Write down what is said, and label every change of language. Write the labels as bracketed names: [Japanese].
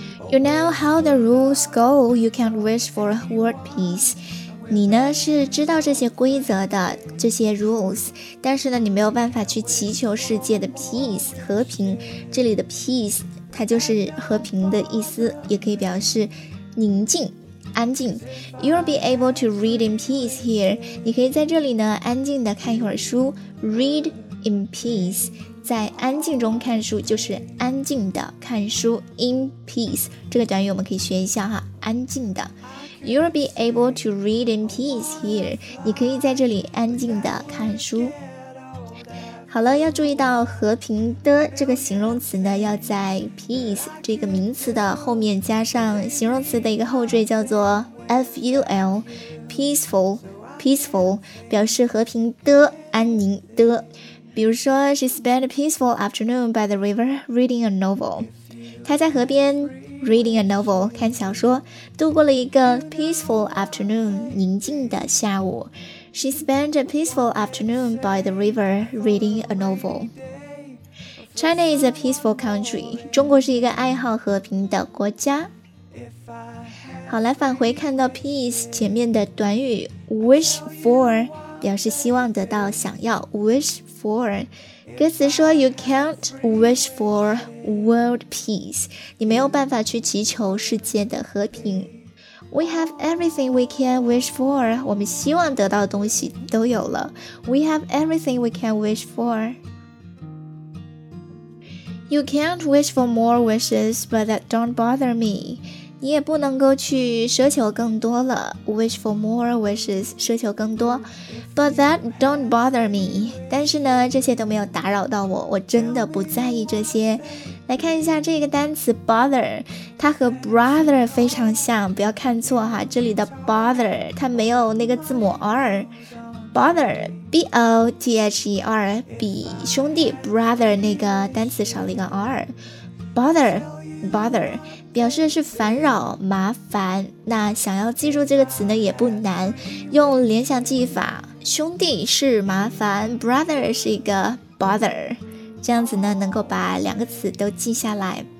[English] You know how the rules go, you can't wish for a world peace. [Chinese] 你呢是知道这些规则的，这些 rules， 但是呢你没有办法去祈求世界的 peace， 和平。这里的 peace 它就是和平的意思，也可以表示宁静安静。 [English] You'll be able to read in peace here. [Chinese] 你可以在这里呢安静的看一会儿书。 [English] Read in peace， [Chinese] 在安静中看书，就是安静的看书。 [English] In peace [Chinese] 这个短语我们可以学一下哈，安静的。 [English] You'll be able to read in peace here. [Chinese] 你可以在这里安静的看书。好了，要注意到和平的这个形容词呢要在 peace 这个名词的后面加上形容词的一个后缀，叫做 ful， peaceful， peaceful 表示和平的，安宁的。比如说 [English] she spent a peaceful afternoon by the river reading a novel， [Chinese] 她在河边 [English] reading a novel [Chinese] 看小说，度过了一个 [English] peaceful afternoon [Chinese] 宁静的下午。 [English] She spent a peaceful afternoon by the river reading a novel. China is a peaceful country. [Chinese] 中国是一个爱好和平的国家。好，来返回看到 peace 前面的短语 [English] wish for， [Chinese] 表示希望得到想要 wish for。歌词说 [English] You can't wish for world peace. [Chinese] 你没有办法去祈求世界的和平。 [English] We have everything we can wish for. [Chinese] 我们希望得到的东西都有了。 [English] We have everything we can wish for. You can't wish for more wishes, but that don't bother me. [Chinese] 你也不能够去奢求更多了。 [English] Wish for more wishes, [Chinese] 奢求更多。 [English] But that don't bother me. [Chinese] 但是呢，这些都没有打扰到我，我真的不在意这些。来看一下这个单词 bother， 它和 brother 非常像，不要看错哈。这里的 bother 它没有那个字母 r， Bother B-O-T-H-E-R 比兄弟 Brother 那个单词少了一个 R Bother Bother 表示的是烦扰麻烦，那想要记住这个词呢也不难，用联想记忆法，兄弟是麻烦， Brother 是一个 Bother， 这样子呢能够把两个词都记下来。